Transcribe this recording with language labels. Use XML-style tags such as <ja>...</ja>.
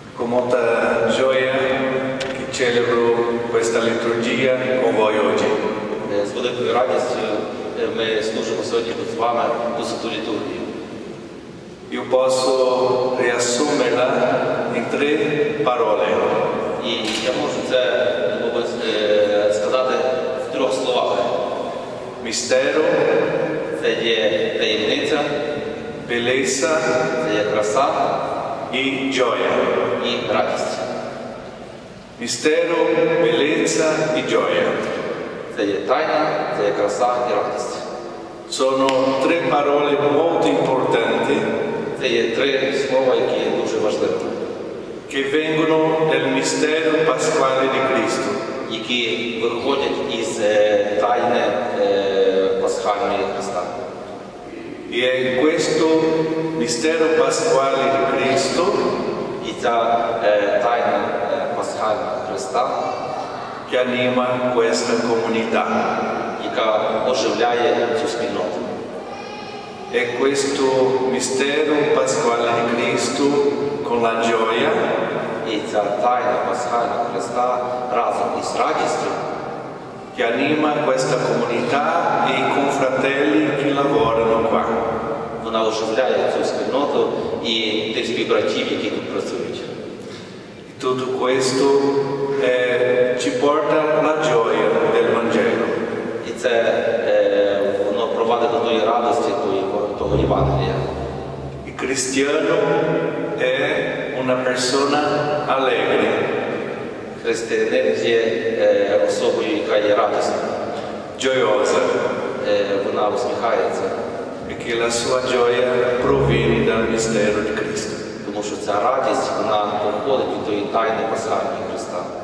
<it>Molta gioia che celebro questa liturgia con voi oggi.</it> <uk>З великою радістю ми служимо сьогодні з вами цю літургію.</uk> <it>Io posso riassumerla in tre parole.</it> <uk>І я можу це сказати в трьох словах.</uk> <it>Містеро</it> <uk>– це є таємниця.</uk> <it>Белеса –</it> <uk>це є краса.</uk> <it>І gioia.</it> <uk>І радість.</uk> <it>Містеро, белеца і gioia.</it> <uk>Це є тайна, це є краса і радість.</uk> <it>Sono tre parole molto importanti.</it> <uk>Це є три слова, які є дуже важливими.</uk> <it>Che vengono del mistero pasquale di Cristo.</it> <uk>Які виходять із тайни пасхальної Христа.</uk> <it>І è in questo mistero pasquale di Cristo</it> <uk>і ця тайна пасхальна Христа,</uk> <it>che anima questa comunità,</it> <uk>яка оживляє цю спільноту.</uk> <it>È questo mistero pasquale di Cristo con la gioia</it> <uk>і ця тайна пасхальна Христа разом із радістю,</uk> <it>che anima questa comunità e i confratelli che lavorano qua.</it> <uk>Вона оживляє цю спільноту і тих співбратів, які тут працюють.</uk> <it>І tutto questo ci porta la gioia del Vangelo.</it> <uk>І це воно проводить до тої радості, того Євангелія.</uk> <it>Il cristiano è una persona allegra.</it> <uk>Християнин є особою, яка є радісна.</uk> <it>Gioiosa.</it> <uk>Вона усміхається.</uk> <it>Perché la sua gioia proviene dal mistero di Cristo.</it> <uk>Тому що ця радість, вона походить від тої тайни пасхальної Христа.</uk>